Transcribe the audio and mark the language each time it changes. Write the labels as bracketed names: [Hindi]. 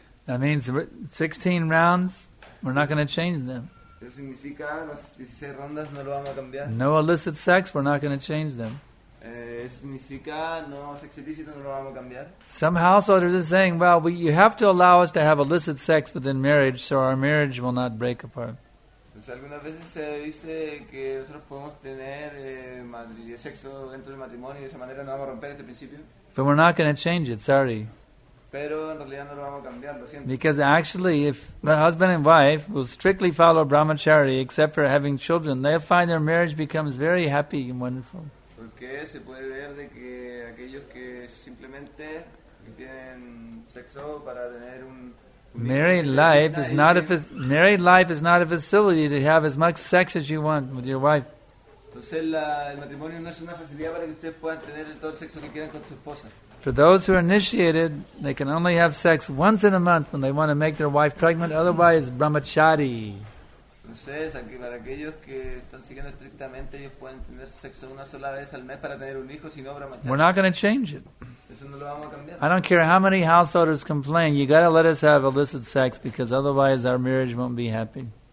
[English] That means 16 rounds, we're not going to change them. [Spanish] Significa las 16 rondas, no lo vamos a cambiar. [English] No illicit sex, we're not going to change them. [Spanish] Significa no sexo ilícito, no lo vamos a cambiar. [English] Some householders are saying, well, you have to allow us to have illicit sex within marriage so our marriage will not break apart. [Spanish] Entonces, algunas veces se dice que nosotros podemos tener sexo dentro del matrimonio y de esa manera no vamos a romper este principio. [English] But we're not going to change it, sorry. [Spanish] Pero en realidad no lo vamos a cambiar, lo siento. [English] Because actually, if the husband and wife will strictly follow brahmachari except for having children, they'll find their marriage becomes very happy and wonderful. [Spanish] Porque se puede ver de que aquellos que simplemente tienen sexo para tener un... [English] Married life is not a facility to have as much sex as you want with your wife. [Spanish] Entonces, el matrimonio no es una facilidad para que ustedes puedan tener todo el sexo que quieran con su esposa. [English] For those who are initiated, they can only have sex once in a month when they want to make their wife pregnant, otherwise brahmachari. [Spanish] Entonces, para aquellos que están siguiendo estrictamente, ellos pueden tener sexo una sola vez al mes para tener un hijo, si no brahmachari. [English] We're not going to change it. [Spanish] Eso no lo vamos a cambiar. [English] I don't care how many householders complain, you got to let us have illicit sex because otherwise our marriage won't be happy.